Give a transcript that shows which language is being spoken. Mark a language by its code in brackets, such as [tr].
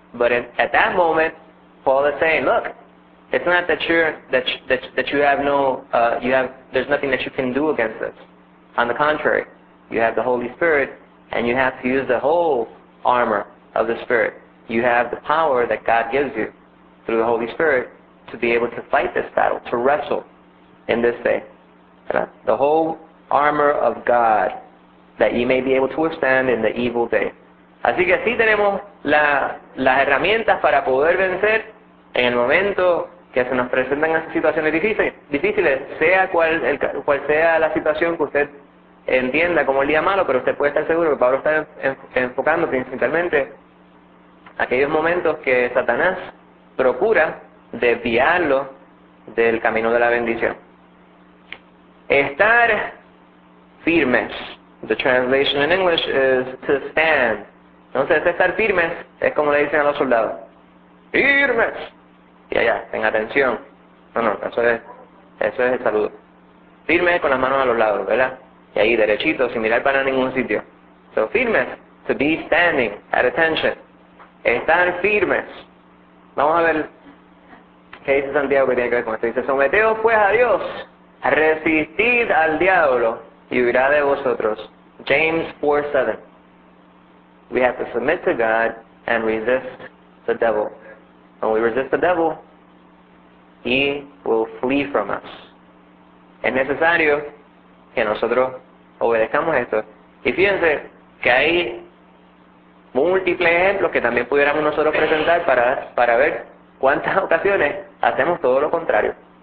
[en] But at that moment, Paul is saying, look, it's not that there's nothing that you can do against this. On the contrary, you have the Holy Spirit, and you have to use the whole armor of the Spirit. You have the power that God gives you through the Holy Spirit to be able to fight this battle, to wrestle in this day. The whole armor of God that you may be able to withstand in the evil day. [es] Así que sí tenemos las herramientas para poder vencer en el momento que se nos presentan esas situaciones difíciles, sea cual sea la situación que usted entienda como el día malo, pero usted puede estar seguro que Pablo está enfocando principalmente aquellos momentos que Satanás procura desviarlo del camino de la bendición. Estar firmes. [en] The translation in English is to stand. [es] Entonces, estar firmes es como le dicen a los soldados. ¡Firmes! Y allá, ten atención. No, eso es el saludo. Firmes con las manos a los lados, ¿verdad? Y ahí, derechito, sin mirar para ningún sitio. [en] So, firmes, to be standing, at attention. [es] Estar firmes. Vamos a ver qué dice Santiago que tiene que ver con esto. Dice, someteos pues a Dios, resistid al diablo, y huirá de vosotros. [en] James 4:7. We have to submit to God and resist the devil. When we resist the devil, he will flee from us. [es] Es necesario que nosotros obedezcamos esto. Y fíjense que hay múltiples ejemplos que también pudiéramos nosotros presentar para ver cuántas ocasiones hacemos todo lo contrario.